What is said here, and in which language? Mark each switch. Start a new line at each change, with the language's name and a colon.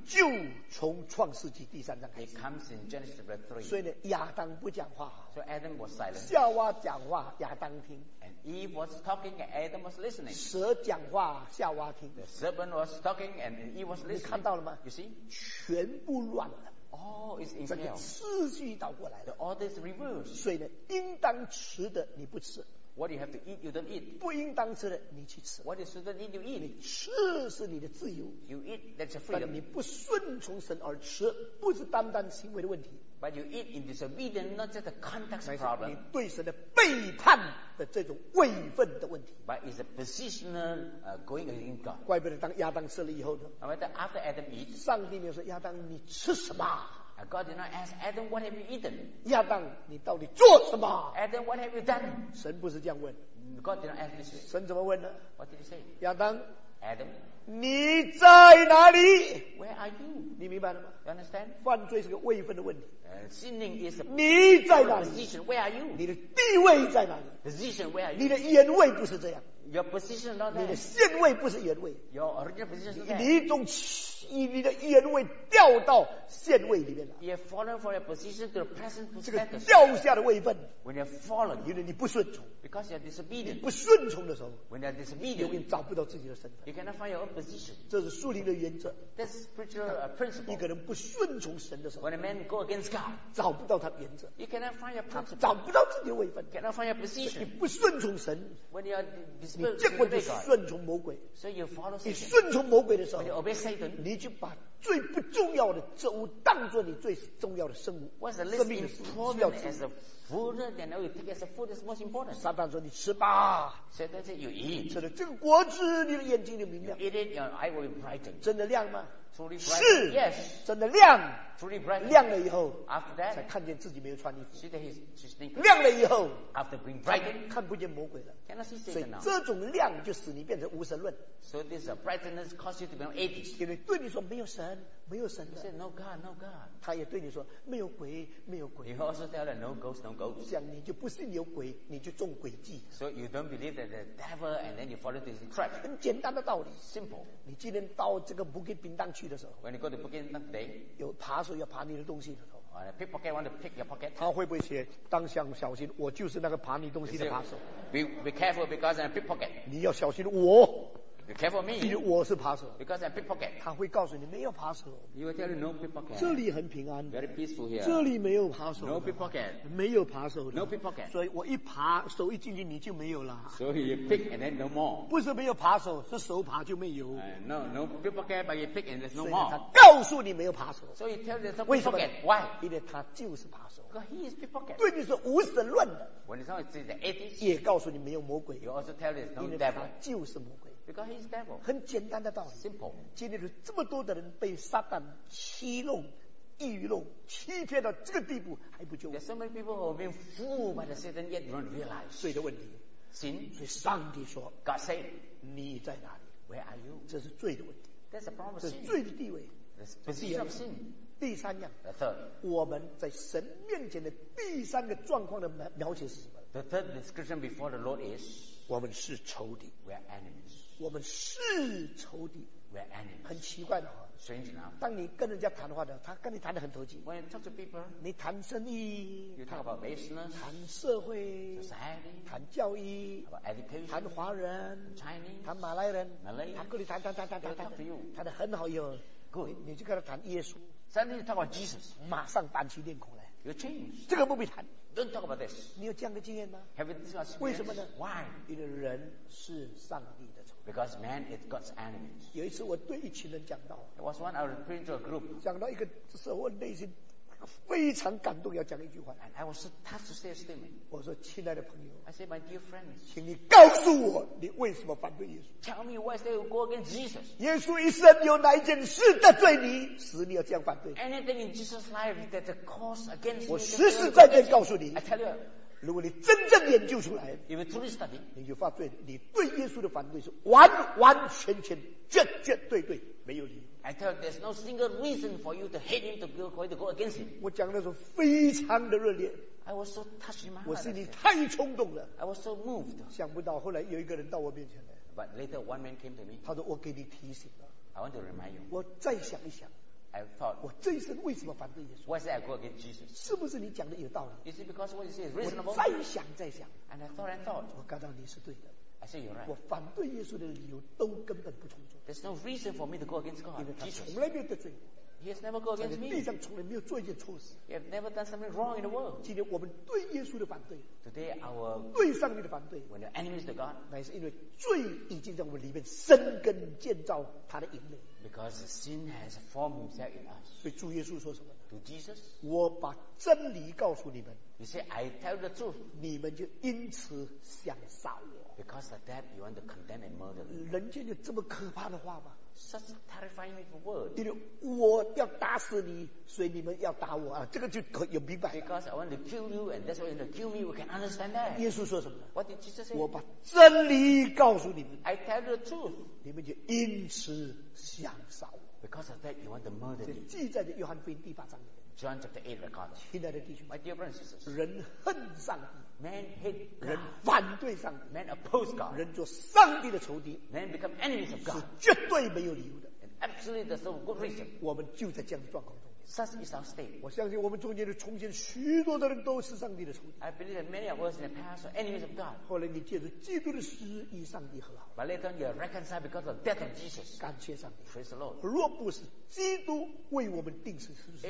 Chinese: 就从创世纪第三章开始。
English: It comes in Genesis chapter 3.
Chinese: 所以呢，亚当不讲话。
English: So Adam was silent.
Chinese: 夏娃讲话，亚当听。
English: And Eve was talking, and Adam was listening.
Chinese: 蛇讲话，夏娃听。
English: The serpent was talking, and Eve was listening.
Chinese: 你看到了吗？
English: You see?
Chinese: 全部乱了。
English: Oh, it's in chaos.
Chinese: 次序倒过来了。
English: The order is reversed.
Chinese: 所以呢，应当吃的你不吃。
English: What you have to eat, you don't eat.
Chinese: 不应当吃的，你去吃。
English: What you shouldn't eat, you eat.
Chinese: 你吃是你的自由。
English: You eat, that's your freedom.
Chinese: 但你不顺从神而吃，不是单单行为的问题。
English: But you eat in disobedience, not just a conduct problem.
Chinese: 你对神的背叛的这种位分的问题。
English: But it's a positional going against God.
Chinese: 怪不得当亚当吃了以后呢。
English: But after Adam eat,
Chinese: 上帝没有说亚当你吃什么。
English: God did not ask Adam, what have you eaten?
Chinese: 亚当，你到底做什么？
English: Adam, what have you done?
Chinese: 神不是这样问。
English: God did not ask this.
Chinese: 神怎么问呢？
English: What did he say?
Chinese: 亚当，
English: Adam，
Chinese: 你在哪里？
English: Where are you？
Chinese: 你明白了吗？
English: You understand？
Chinese: 犯罪是个位分的问题。
English: Sinning is a
Chinese: position。 你在哪里？
English: Position， where are you？
Chinese: 你的地位在哪里？
English: Position， where are you？
Chinese: 你的原位不是这样。
English: Your position not there。
Chinese: 你的现位不是原位。
English: Your original position is there。
Chinese: 你一种以你的原位掉到现位里面了。
English: You have fallen from your position to the present position。
Chinese: 这个掉下的位分。
English: When you have fallen，
Chinese: 因为你不顺从。
English: Because you are disobedient。
Chinese: 你不顺从的时候。
English: When you are disobedient，
Chinese: 你找不到自己的身份。
English: You cannot find your own position。
Chinese: 这是属灵的原则。
English: That's spiritual principle。
Chinese: 一个人不顺从神的时候。
English: When a man go against God，
Chinese: 找不到他原则。
English: You cannot find your principle。
Chinese: 找不到自己的位分。
English: Cannot find your position。
Chinese: 你不顺从神。
English: When you are disobedient。
Chinese: 你结果就顺从魔鬼，所以你顺从魔鬼的时候，你就把最不重要的植物当作你最重要的生物，生命的需要植物。
English: Food, then you take as a food is most important.
Chinese: 撒旦说你吃吧。
English: Satan said you eat.
Chinese: 吃了这个果子，你的眼睛就明亮。
English: You eat it, your eye will be brightened.
Chinese: 真的亮吗？
English: Truly bright.
Chinese: 是。
English: Yes.
Chinese: 真的亮。
English: Truly bright.
Chinese: 亮了以后，
English: after that,
Chinese: 才看见自己没有穿衣服。
English: See that he's naked.
Chinese: 亮了以后，
English: after being brightened,
Chinese: 看不见魔鬼了。
English: Cannot see Satan now.
Chinese: 所以这种亮就使你变成无神论。
English: So this brightness causes you to become atheist.
Chinese: 因为对你说没有神。没有神的。
English: He said, no God, no God.
Chinese: 他也对你说没有鬼，没有鬼。
English: He also tell her, no ghost, no ghost.
Chinese: 想你就不信有鬼，你就中诡计。
English: So you don't believe that the devil, and then you fall into his trap.
Chinese: 很简单的道理。
English: Simple.
Chinese: 你今天到这个布吉冰当去的时候。
English: When you go to Bukit Bintang,
Chinese: 有扒手要扒你的东西的时候。
English: A pickpocket want to pick your pocket.
Chinese: 他会不会写当想小心，我就是那个扒你东西的扒手。
English: Be careful because I'm a pickpocket.
Chinese: 你要小心我。
English: You care for me.
Chinese: 因为我是扒手。
English: Because I'm pickpocket.
Chinese: 他会告诉你没有扒手。
English: He will tell you no pickpocket.
Chinese: 这里很平安。
English: Very peaceful here.
Chinese: 这里没有扒手。
English: No pickpocket.
Chinese: 没有扒手。
English: No pickpocket.
Chinese: 所以我一扒手一进去你就没有了。
English: So you pick and then no more.
Chinese: 不是没有扒手，是手扒就没有。
English: No pickpocket, but you pick and there's no more.
Chinese: 他告诉你没有扒手。
English: So you tell you no pickpocket. Why?
Chinese: 因为他就是扒手。
English: Because he is pickpocket.
Chinese: 对你是无神论的。
English: When you say it's the atheist.
Chinese: 也告诉你没有魔鬼。
English: You also tell there's no devil.
Chinese: 因为他就是魔鬼。
English: Because he's devil.
Chinese: 很简单的道理。
English: Simple.
Chinese: 经历了这么多的人被撒旦欺弄、愚弄、欺骗到这个地步，还不救？
English: There's so many people who have been fooled by the Satan yet don't realize.
Chinese: 罪的问题。
English: Sin.
Chinese: 所以上帝说
English: ，God say，
Chinese: 你在哪里
English: ？Where are you？
Chinese: 这是罪的问题。
English: That's a problem.
Chinese: 这是罪的地位。
English: The position of sin.
Chinese: 第三样。
English: The third.
Chinese: 我们在神面前的第三个状况的描写是什么
English: ？The third description before the Lord is.
Chinese: 我们是仇敌。
English: We're enemies.
Chinese: 我们是仇敌
English: We're enemies.
Chinese: 很奇怪的话
English: Strange enough.
Chinese: 当你跟人家谈话的他跟你谈得很投机
English: When you talk to people,
Chinese: 你谈生意
English: you talk about business,
Chinese: 谈社会
English: society,
Chinese: 谈教育
English: about education,
Chinese: 谈华人
English: Chinese,
Chinese: 谈马来人
English: Malay,
Chinese: 他跟你谈
English: talk to you.
Chinese: 谈得很好以后
English: Good.
Chinese: 你就跟他谈耶稣
English: Suddenly you talk about Jesus
Chinese: 马上搬起脸孔来
English: You change.
Chinese: 这个不必谈
English: Don't talk about this.
Chinese: 你有这样的经验吗
English: Have you this experience?
Chinese: 为什么呢
English: Why?
Chinese: 因为人是上帝的
English: Because man is God's enemy.
Chinese: 有一次我对一群人讲到。
English: It was one I was preaching to a group.
Chinese: 讲到一个时候，我内心非常感动，要讲一句话。
English: And I was touched to say a statement.
Chinese: 我说，亲爱的朋友。
English: I said, my dear friend.
Chinese: 请你告诉我，你为什么反对耶稣
English: ？Tell me why they go against Jesus.
Chinese: 耶稣一生有哪一件事得罪你，使你要这样反对
English: ？Anything in Jesus' life that caused against you?
Chinese: 我实实在在告诉你。
English: I tell you.
Chinese: 如果你真正研究出来
English: If you truly study,
Chinese: 你就发觉你对耶稣的反对是完完全全绝绝对对没有理由
English: I tell you there's no single reason for you to hate him to go against him
Chinese: 我讲的时候非常的热烈
English: I was so touched in my heart
Chinese: 我心里太冲动了
English: I was so moved
Chinese: 想不到后来有一个人到我面前来
English: But later one man came to me
Chinese: 他说我给你提醒了
English: I want to remind you
Chinese: 我再想一想
English: I thought,
Chinese: 我这一生为什么反对耶稣
English: Why did I go against Jesus?
Chinese: 是不是你讲的有道理
English: Is it because what you say is reasonable?
Chinese: 我再想再想
English: And I thought and thought
Chinese: 我感到你是对的
English: I said you're right
Chinese: 我反对耶稣的理由都根本不充足
English: There's no reason for me to go against God
Chinese: 因为他从来没有得罪我
English: He has never go against me
Chinese: 在地上从来没有做一件错事
English: He has never done something wrong in the world
Chinese: 今天我们对耶稣的反对
English: Today our
Chinese: 对上帝的反对
English: When you're enemies to God
Chinese: 那是因为罪已经在我们里面生根建造他的营垒
English: Because sin has formed himself in us.
Chinese: 所以主耶稣说什么
English: ？To Jesus,
Chinese: 我把真理告诉你们。
English: You say I tell the truth.
Chinese: 你们就因此想杀我。
English: Because of that, you want to condemn and murder.
Chinese: 人间有这么可怕的话吗
English: such terrifying little word.
Chinese: 因为我要打死你, 所以你们要打我, 啊, 这个就可以明白了,
English: because I want to kill you, and that's why you're going to kill me. We can understand that.
Chinese: 耶稣说什么?
English: What did Jesus say?
Chinese: 我把真理告诉你们,
English: I tell you the truth.
Chinese: 你们就因此想杀我,
English: because of that, you want to murder me.
Chinese: 记载的约翰福音第八章里面,
English: John chapter 8 records.
Chinese: 亲爱的弟兄,
English: my dear brothers and sisters,
Chinese: 人恨上帝,
English: man hate God.
Chinese: 人反对上帝,
English: man oppose God.
Chinese: 人做上帝的仇敌,
English: man become enemies of God.
Chinese: 是绝对没有理由的,
English: and absolutely there's no good reason.
Chinese: 我们就在这样的状况中,
English: such is our state.
Chinese: 我相信我们中间的从前许多的人都是上帝的仇敌,
English: I believe that many of us in the past are enemies of God.
Chinese: 后来你借着基督的死与上帝和好,
English: but later on you are reconciled because of the death of Jesus.
Chinese: 感谢上帝,
English: praise the Lord.
Chinese: 若不是基督为我们钉死十字架,